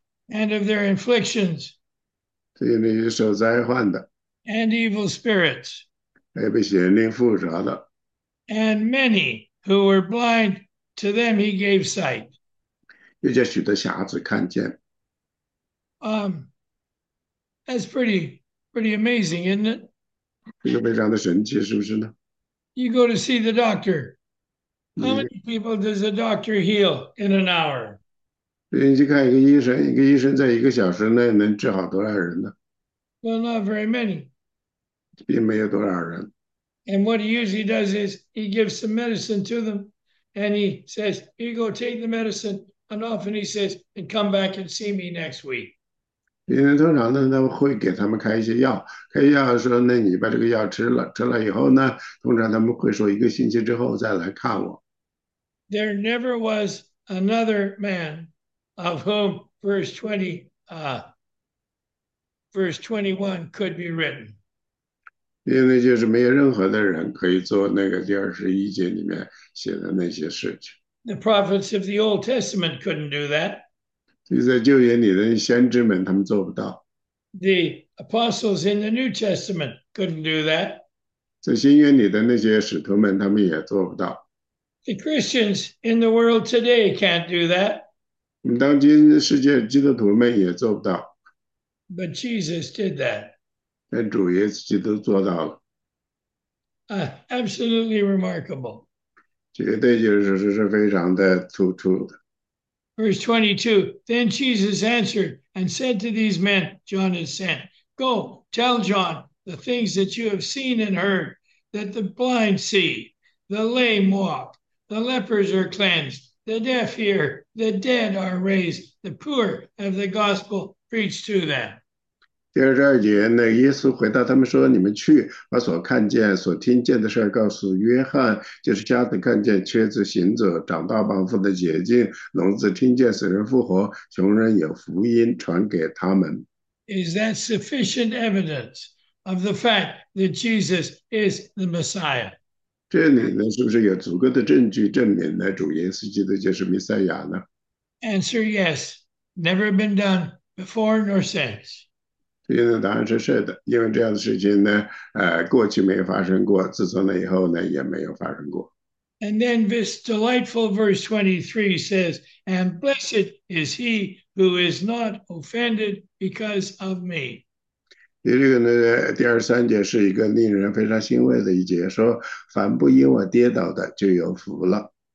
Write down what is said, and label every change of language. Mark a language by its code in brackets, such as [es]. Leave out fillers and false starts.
[en] And of their afflictions [zh] 所以呢，有受灾患的， [en] and evil spirits, [zh] 还有被邪灵附着的。 [en] and many who were blind, to them he gave sight. [zh] 又叫许多瞎子看见。 [en] That's pretty amazing, isn't it? [zh] 这个非常的神奇，是不是呢？ [en] You go to see the doctor. How [zh] 你 [en] many people does a doctor heal in an hour? [zh] 去看一个医生，一个医生在1个小时内能治好多少人呢？ [en] Well, not very many. [zh] 并没有多少人。 [en] And what he usually does is he gives some medicine to them and he says, Here you go, take the medicine. And often he says, And come back and see me next week. [zh] 病人通常呢，他会给他们开一些药，开药说：“那你把这个药吃了，吃了以后呢，通常他们会说1个星期之后再来看我。 [en] There never was another man of whom verse 20, Verse 21 could be written. [zh] ”因为就是没有任何的人可以做那个第21节里面写的那些事情。 [en] The prophets of the Old Testament couldn't do that. [zh] 就在旧约里的先知们，他们做不到。 [en] The apostles in the New Testament couldn't do that. [zh] 在新约里的那些使徒们，他们也做不到。 [en] The Christians in the world today can't do that. [zh] 我们当今世界基督徒们也做不到。 [en] But Jesus did that. [zh] 但主耶稣基督做到了。 [en] Absolutely remarkable. [zh] 绝对就是说是非常的突出的。 [en] Verse 22, Then Jesus answered and said to these men, John has sent, Go, tell John the things that you have seen and heard, that the blind see, the lame walk, the lepers are cleansed, the deaf hear, the dead are raised, the poor have the gospel preached to them. [zh] 第22节，那耶稣回答他们说：“你们去，把所看见、所听见的事告诉约翰，就是瞎子看见、瘸子行走、长大帮妇的解禁、聋子听见、死人复活、穷人有福音，传给他们。 [en] Is that sufficient evidence of the fact that Jesus is the Messiah? [zh] ”这里呢，是不是有足够的证据证明呢，主耶稣基督就是弥赛亚呢？ [en] Answer yes. Never been done before nor since. [zh] 所以呢，答案是的，因为这样的事情呢，过去没有发生过，自从那以后呢，也没有发生过。 [en] And then this delightful verse 23 says, And blessed is he who is not offended because of me. [zh] 因为这个呢，第23节是一个令人非常欣慰的一节，说凡不因我跌倒的，就有福了。